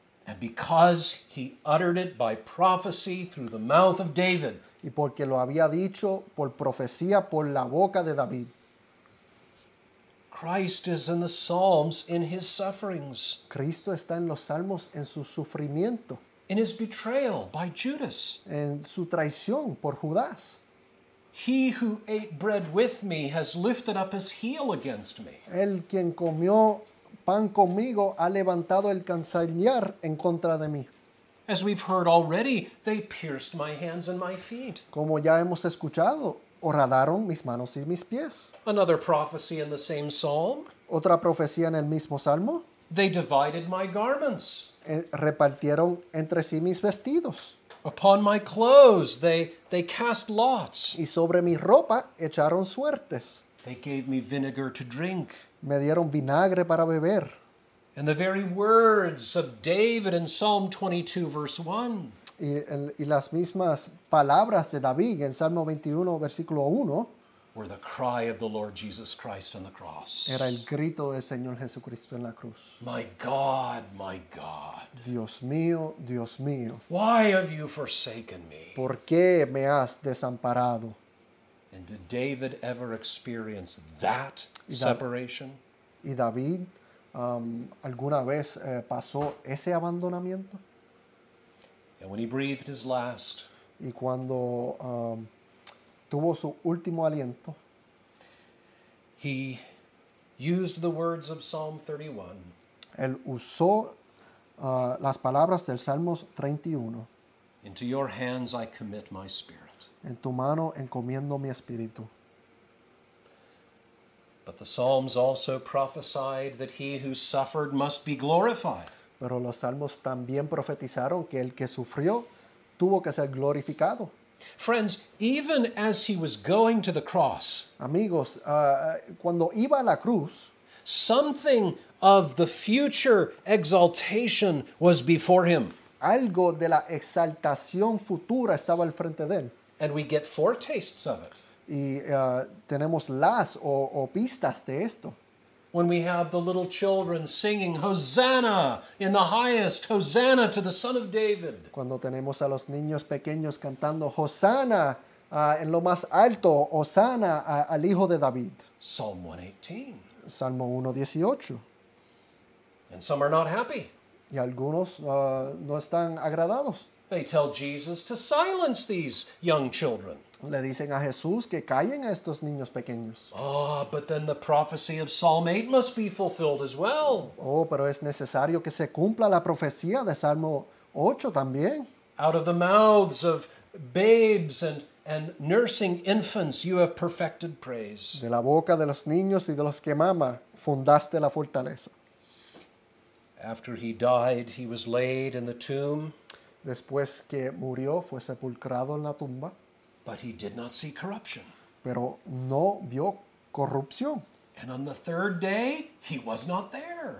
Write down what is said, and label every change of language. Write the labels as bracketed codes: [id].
[en] And because he uttered it by prophecy through the mouth of David. [es] Y porque lo había dicho por profecía por la boca de David. [en] Christ is in the Psalms in his sufferings. [es] Cristo está en los Salmos en su sufrimiento. [en] In his betrayal by Judas. [es] En su traición por Judas. [en] He who ate bread with me has lifted up his heel against me. [es] El quien comió pan conmigo ha levantado el canzañar en contra de mí. [en] As we've heard already, they pierced my hands and my feet. [es] Como ya hemos escuchado, horadaron mis manos y mis pies. [en] Another prophecy in the same psalm. [es] Otra profecía en el mismo salmo. [en] They divided my garments. [es] Repartieron entre sí mis vestidos. [en] Upon my clothes they cast lots. [es] Y sobre mi ropa echaron suertes. [en] They gave me vinegar to drink. [es] Me dieron vinagre para beber. [en] And the very words of David in Psalm 22 verse 1. [es] Y las mismas palabras de David en Salmo 21, versículo 1. [en] Were the cry of the Lord Jesus Christ on the cross. [es] Era el grito del Señor Jesucristo en la cruz. [en] My God, my God. [es] Dios mío, Dios mío. [en] Why have you forsaken me? [es] ¿Por qué me has desamparado? [en] And did David ever experience that separation? [es] ¿Y David alguna vez pasó ese abandonamiento? [en] And when he breathed his last, [es] y cuando tuvo su último aliento, [en] he used the words of Psalm 31. [es] Él usó las palabras del Salmos 31. [en] Into your hands I commit my spirit. [es] En tu mano encomiendo mi espíritu. [en] But the Psalms also prophesied that he who suffered must be glorified. [es] Pero los salmos también profetizaron que el que sufrió tuvo que ser glorificado. [en] Friends, even as he was going to the cross, [es] amigos, cuando iba a la cruz, [en] something of the future exaltation was before him. [es] Algo de la exaltación futura estaba al frente de él. [en] And we get foretastes of it. [es] Y tenemos las o pistas de esto. [en] When we have the little children singing Hosanna in the highest, Hosanna to the Son of David. [es] Cuando tenemos a los niños pequeños cantando Hosanna en lo más alto, Hosanna al Hijo de David. [en] Psalm 118. [es] Salmo 118. [en] And some are not happy. [es] Y algunos no están agradados. [en] They tell Jesus to silence these young children. [es] Le dicen a Jesús que callen a estos niños pequeños. [en] Oh, but then the prophecy of Psalm 8 must be fulfilled as well. [es] Oh, pero es necesario que se cumpla la profecía de Salmo 8 también. [en] Out of the mouths of babes and nursing infants, you have perfected praise. [es] De la boca de los niños y de los que mama, fundaste la fortaleza. [en] After he died, he was laid in the tomb. [es] Después que murió, fue sepultado en la tumba. [en] But he did not see corruption. [es] Pero no vio corrupción. [en] And on the third day, he was not there.